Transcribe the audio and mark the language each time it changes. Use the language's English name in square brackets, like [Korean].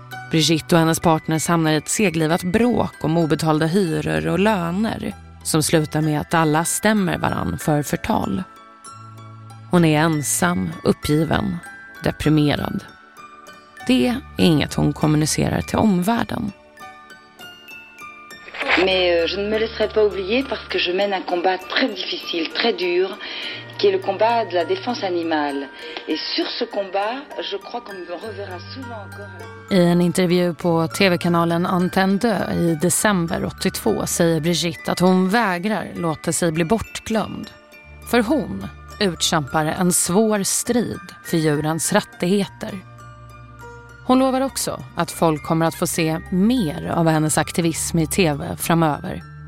[Swedish] Brigitte och hennes partners hamnar i ett seglivat bråk om obetalda hyror och löner som slutar med att alla stämmer varann för förtal. Hon är ensam, uppgiven, deprimerad. Det är inget hon kommunicerar till omvärlden. [French] Mais je ne me laisserai pas oublier parce que je mène un combat très difficile, très dur. Qui est le combat de la défense animale. Et sur ce combat, je crois qu'on me reverra souvent encore. [Swedish] I en intervju på TV-kanalen Antenne 2 i december 82 säger Brigitte att hon vägrar låta sig bli bortglömd. För hon utkämpar en svår strid för djurens rättigheter. Hon lovar också att folk kommer att få se mer av hennes aktivism i TV framöver.